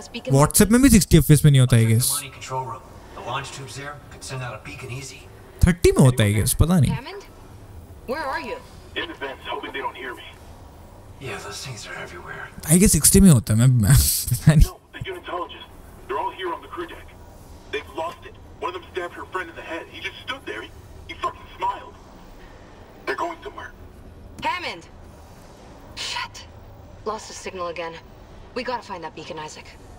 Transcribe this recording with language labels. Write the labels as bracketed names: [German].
[Hindi] WhatsApp में भी 60 FPS में नहीं होता है गाइस, 30 में होता है गाइस, पता नहीं। [English] Where are you? In the vents, hoping they don't hear me. Yeah, those things are everywhere. I guess [Hindi] 60 में होता है, मैं पता नहीं। [English] They're all here on the crew deck. They've lost it. One of them stabbed her friend in the head. He just stood there. He fucking smiled. They're going somewhere. Hammond! Shit. Lost the signal again. We gotta find that beacon, Isaac.